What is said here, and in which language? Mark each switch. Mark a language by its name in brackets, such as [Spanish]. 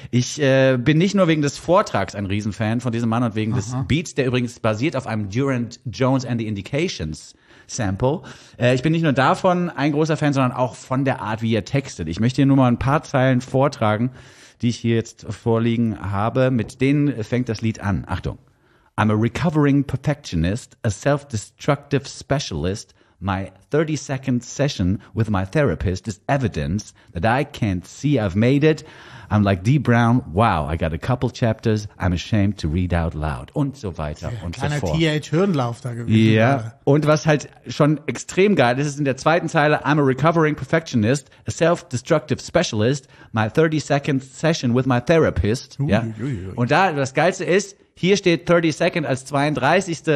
[German] Ich bin nicht nur wegen des Vortrags ein Riesenfan von diesem Mann und wegen des Beats, der übrigens basiert auf einem Durant Jones and the Indications Sample. Ich bin nicht nur davon ein großer Fan, sondern auch von der Art, wie er textet. Ich möchte hier nur mal ein paar Zeilen vortragen, die ich hier jetzt vorliegen habe. Mit denen fängt das Lied an. Achtung. [English] I'm a recovering perfectionist, a self-destructive specialist. My 30-second session with my therapist is evidence that I can't see I've made it. I'm like Dee Brown. Wow, I got a couple chapters. I'm ashamed to read out loud. [German] Und so weiter und so fort. Kleiner TH-Hirnlauf da gewesen. Ja. Und was halt schon extrem geil ist, ist in der zweiten Zeile, [English] I'm a recovering perfectionist, a self-destructive specialist, my 30-second session with my therapist. [German] Ja. Und da, das Geilste ist, hier steht 30-second als 32.